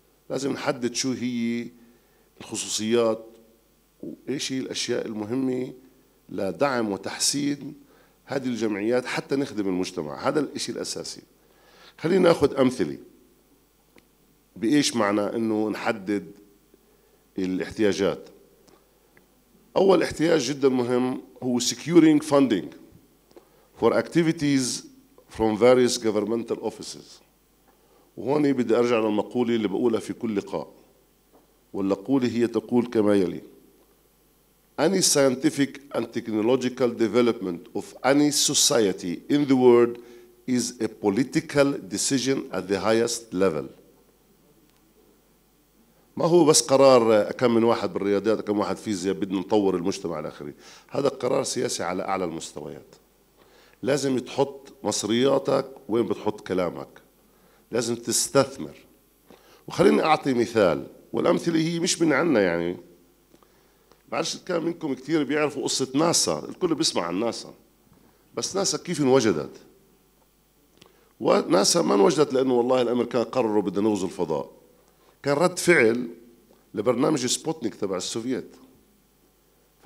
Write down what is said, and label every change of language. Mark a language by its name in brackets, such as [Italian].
[Arabic] لازم نحدد شو هي الخصوصيات وايش هي الاشياء المهمه لدعم وتحسين هذه الجمعيات حتى نخدم المجتمع، هذا الشيء الأساسي. خلينا نأخذ أمثلة بإيش معنى أنه نحدد الاحتياجات. أول احتياج جدا مهم هو [English] securing funding for activities from various governmental offices. [Arabic] وهنا بدي أرجع للمقولة اللي بقولها في كل لقاء، والمقولة هي تقول كما يلي: [English] Any scientific and technological development of any society in the world is a political decision at the highest level. [Arabic] ما هو بس قرار كم من واحد بالرياضيات كم واحد فيزياء بدنا نطور المجتمع الآخري، هذا قرار سياسي على أعلى المستويات. لازم تحط مصرياتك وين بتحط كلامك، لازم تستثمر. وخليني أعطي مثال، والأمثلة هي مش من عنا يعني، بعرفش كان منكم كتير بيعرفوا قصة ناسا، الكل بيسمع عن ناسا، بس ناسا كيف انوجدت؟ وناسا ما انوجدت لأنه والله الأمريكان قرروا بدنا نغزو الفضاء، كان رد فعل لبرنامج سبوتنيك تبع السوفيت. ف